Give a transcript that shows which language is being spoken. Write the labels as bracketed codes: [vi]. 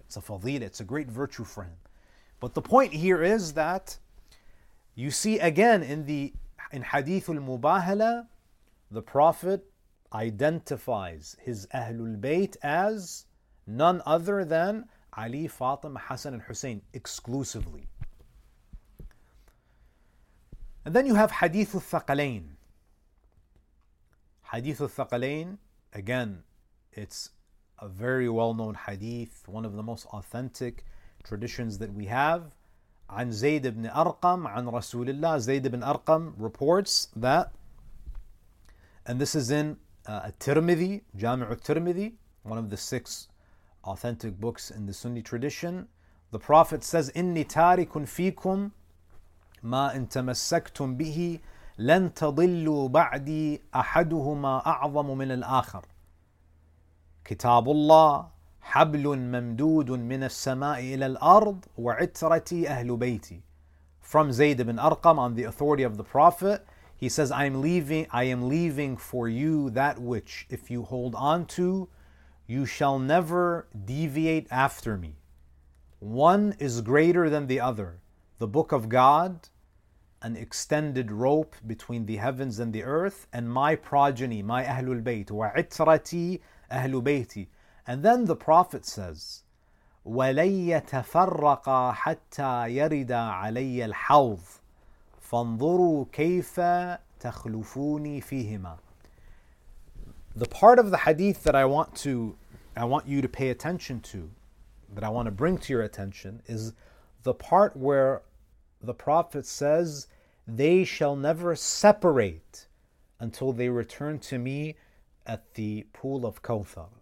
[en] It's a fadila, it's a great virtue for him. But the point here is that you see again in Hadith al-Mubahala, the Prophet identifies his Ahlul Bayt as none other than Ali, Fatima, Hassan, and Hussein exclusively. And then you have Hadith al-Thaqalain. Hadith al-Thaqalain, again, it's a very well-known hadith, one of the most authentic traditions that we have. [ar] عن زيد بن أرقم عن رسول الله. [en] Zayd ibn Arqam reports that, and this is in Tirmidhi, Jami' al-Tirmidhi, one of the six authentic books in the Sunni tradition. The Prophet says, [ar] إِنِّي تَارِكٌ فِيكُمْ مَا إِن تَمَسَّكْتُمْ بِهِ لَن تَضِلُّوا بَعْدِي أَحَدُهُمَا أَعْظَمُ مِنَ الْآخَرِ كِتَابُ اللَّهِ حَبْلٌ مَمْدُودٌ مِنَ السَّمَاءِ إِلَى الْأَرْضِ وَعِتْرَتِي أَهْلُ بَيْتِي. [en] From Zayd ibn Arqam, on the authority of the Prophet, he says, I am leaving for you that which, if you hold on to, you shall never deviate after me. One is greater than the other, the book of God, an extended rope between the heavens and the earth, and my progeny, my Ahlul Bayt, [ar] وَعِتْرَتِي أَهْلُ بَيْتِي. [en] And then the Prophet says, [ar] وَلَيَّتَفَرَّقَ حَتَّى يَرِدَ عَلَيَّ الْحَوْضِ فَانْظُرُوا كَيْفَ تَخْلُفُونِي فِيهِمَا. [en] The part of the hadith that I want you to pay attention to, that I want to bring to your attention, is the part where the Prophet says, they shall never separate until they return to me at the pool of Kawthar.